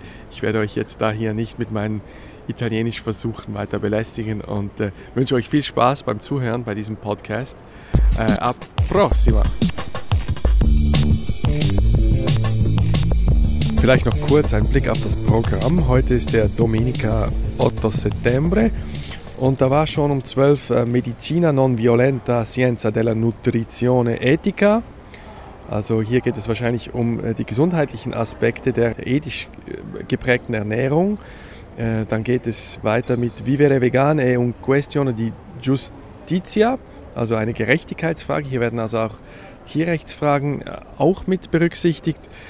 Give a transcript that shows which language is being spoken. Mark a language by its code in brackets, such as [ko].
[de] Ich werde euch jetzt da hier nicht mit meinen Italienisch versuchen weiter belästigen und wünsche euch viel Spaß beim Zuhören bei diesem Podcast. [it] A prossima! [de] Vielleicht noch kurz ein Blick auf das Programm. Heute ist der [it] Domenica 8 Settembre. [de] Und da war schon um 12 [it] Medicina non violenta scienza della nutrizione etica. [de] Also hier geht es wahrscheinlich um die gesundheitlichen Aspekte der ethisch geprägten Ernährung. Dann geht es weiter mit [it] vivere vegane e un questione di giustizia, [de] also eine Gerechtigkeitsfrage. Hier werden also auch Tierrechtsfragen auch mit berücksichtigt.